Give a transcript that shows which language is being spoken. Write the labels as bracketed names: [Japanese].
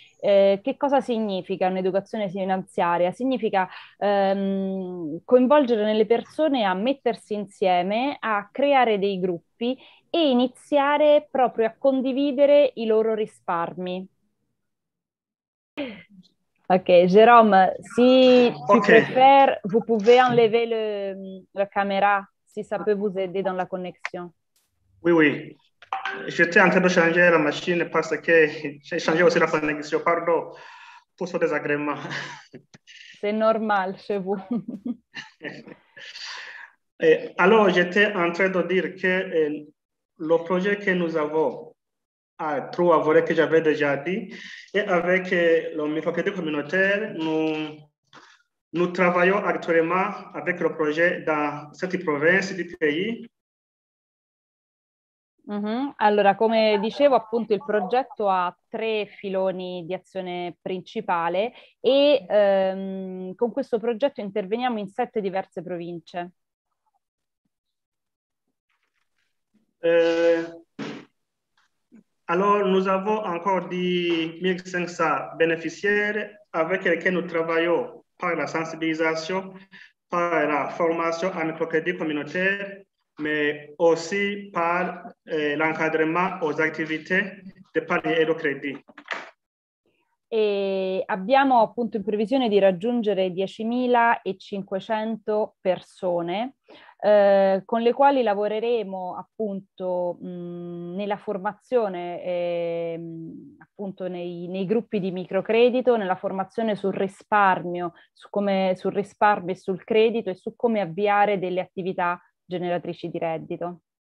[Italian] Che cosa significa un'educazione finanziaria? Significa coinvolgere nelle persone a mettersi insieme, a creare dei gruppi e iniziare proprio a condividere i loro risparmi. [French] Ok, Jérôme, si tu préfères, vous pouvez enlever la caméra? [Italian] Si sapeva [French] vous aider dans la connexion. Oui, oui. J'étais en train de changer la machine parce que j'ai changé aussi la connexion. Pardon pour ce désagrément. C'est normal chez vous. Alors, j'étais en train de dire que le projet que nous avons à Trois Volets, que j'avais déjà dit, et avec le microcrédit communautaire, nous travaillons actuellement avec le projet dans cette province du pays. [Italian] Allora, come dicevo, appunto, il progetto ha tre filoni di azione principale e con questo progetto interveniamo in sette diverse province. Allora, [French] nous avons encore 1500 bénéficiaires avec lesquels nous travaillons par la sensibilisation, par la formation en microcrédit communautaire, mais aussi par l'encadrement aux activités de par les Eurocrédit. [Italian] E abbiamo appunto in previsione di raggiungere 10.500 persone con le quali lavoreremo appunto nella formazione, appunto nei gruppi di microcredito, nella formazione sul risparmio, sul risparmio e sul credito e su come avviare delle attività generatrici di reddito.